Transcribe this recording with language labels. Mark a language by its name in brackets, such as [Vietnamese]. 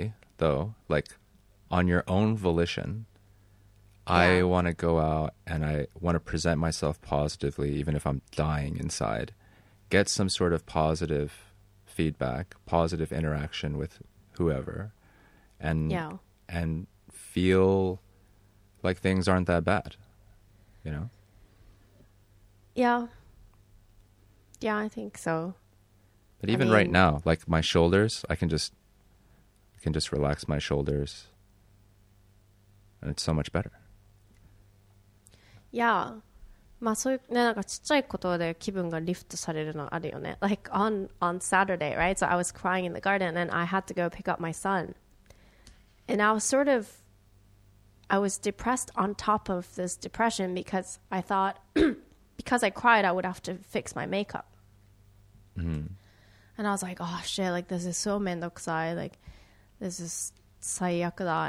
[English] Like, though, like on your own volition, I want to go out and I want to present myself positively, even if I'm dying inside, get some sort of positive feedback, positive interaction with whoever, and feel like things aren't that bad, you know? Yeah, I think so. But even right now, like my shoulders, I can just relax my shoulders, and it's so much better. Yeah. [Japanese] まあそういうね、なんかちっちゃいことで気分がリフトされるのあるよね。 [English] Like on Saturday, right? So I was crying in the garden and I had to go pick up my son. And I was sort of, I was depressed on top of this depression because I thought, because I cried, I would have to fix my makeup. And I was like, oh shit, like this is so mendokusai, like this is sayakura.